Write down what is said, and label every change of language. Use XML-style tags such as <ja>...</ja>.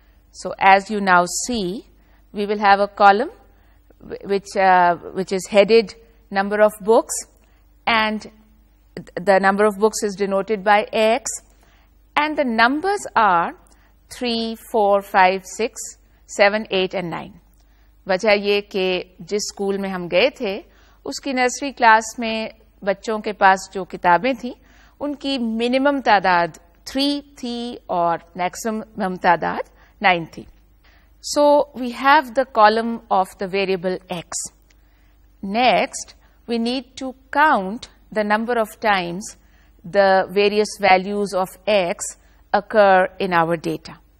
<en>So as you now see, we will have a column which is headed number of books, and the number of books is denoted by x, and the numbers are 3, 4, 5, 6, 7, 8, and 9.</en> <ur>Wajah ye ke jis school mein hum gaye the uski nursery class mein بچوں کے پاس جو کتابیں تھیں ان کی minimum تعداد 3 تھی اور maximum تعداد 9 تھی.</ur> <en>So we have the column of the variable X. Next we need to count the number of times the various values of X occur in our data.</en>